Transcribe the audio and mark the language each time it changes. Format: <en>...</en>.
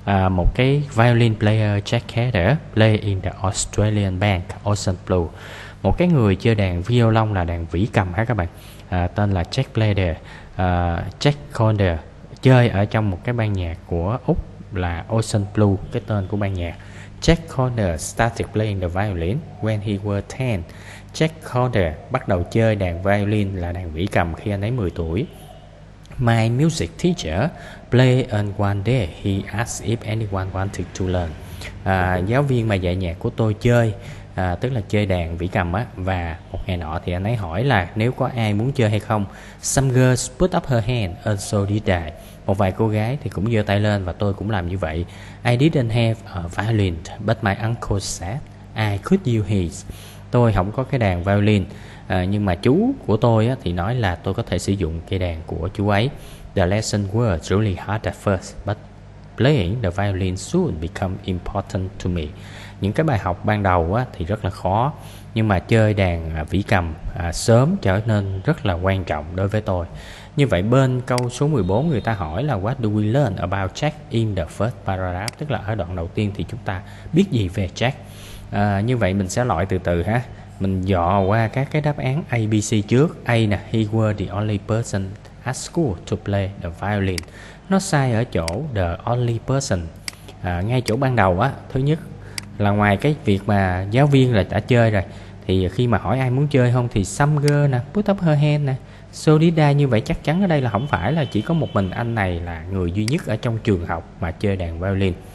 <vi>Một cái</vi> <en>violin player Jack Scadder play in the Australian band Ocean Blue.</en> <vi>Một cái người chơi đàn violon là đàn vĩ cầm ha các bạn. Tên là Jack Scadder. Jack Scadder chơi ở trong một cái ban nhạc của Úc là Ocean Blue, cái tên của ban nhạc.</vi> <en>Jack Scadder started playing the violin when he was 10.</en> <vi>Jack Scadder bắt đầu chơi đàn violin là đàn vĩ cầm khi anh ấy 10 tuổi.</vi> <en>My music teacher played and one day he asked if anyone wanted to learn.</en> <vi>Giáo viên mà dạy nhạc của tôi chơi, tức là chơi đàn vĩ cầm á, và một ngày nọ thì anh ấy hỏi là nếu có ai muốn chơi hay không.</vi> <en>Some girls put up her hand and so did I.</en> <vi>Một vài cô gái thì cũng giơ tay lên và tôi cũng làm như vậy.</vi> <en>I didn't have a violin, but my uncle said I could use his.</en> <vi>Tôi không có cái đàn violin, nhưng mà chú của tôi á, thì nói là tôi có thể sử dụng cây đàn của chú ấy.</vi> <en>The lesson was really hard at first, but playing the violin soon become important to me.</en> <vi>Những cái bài học ban đầu á, thì rất là khó, nhưng mà chơi đàn vĩ cầm sớm trở nên rất là quan trọng đối với tôi. Như vậy bên câu số 14 người ta hỏi là</vi> <en>what do we learn about Jack in the first paragraph,</en> <vi>tức là ở đoạn đầu tiên thì chúng ta biết gì về Jack. Như vậy mình sẽ loại từ từ ha. Mình dò qua các cái đáp án A, B, C trước.</vi> <en>A</en> <vi>nè,</vi> <en>he was the only person at school to play the violin.</en> <vi>Nó sai ở chỗ</vi> <en>the only person.</en> <vi>Ngay chỗ ban đầu á, thứ nhất là ngoài cái việc mà giáo viên là đã chơi rồi, thì khi mà hỏi ai muốn chơi không thì</vi> <en>some girl</en> <vi>nè,</vi> <en>put up her hand</en> <vi>nè,</vi> <en>so did I.</en> <vi>Như vậy chắc chắn ở đây là không phải là chỉ có một mình anh này là người duy nhất ở trong trường học mà chơi đàn violin.</vi>